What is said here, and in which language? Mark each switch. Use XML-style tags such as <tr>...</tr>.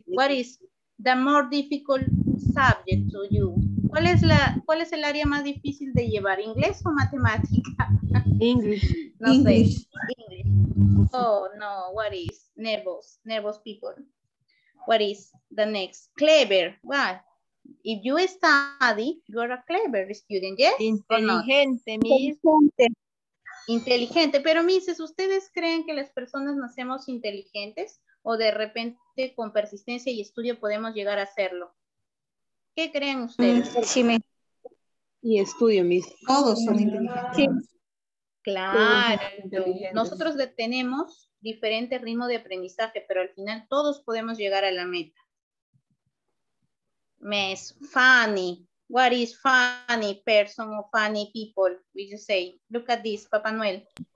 <en>What is the more difficult subject to you?</en> <es>¿Cuál es el área más difícil de llevar, inglés o matemática?</es> <en>English. No English. Sé. English. Oh, no. What is nervous? Nervous people. What is the next? Clever. What? If you study, you are a clever student, yes?</en> <es>Inteligente, no? Miss. Inteligente. Pero, Miss, ¿ustedes creen que las personas nacemos inteligentes o de repente con persistencia y estudio podemos llegar a hacerlo? ¿Qué creen ustedes? Sí, me... Y estudio, Miss. Todos son inteligentes. Sí. Claro, nosotros tenemos diferente ritmo de aprendizaje, pero al final todos podemos llegar a la meta.</es> <en>Miss Funny, what is funny person or funny people? We just say, look at this, Papá Noel.</en>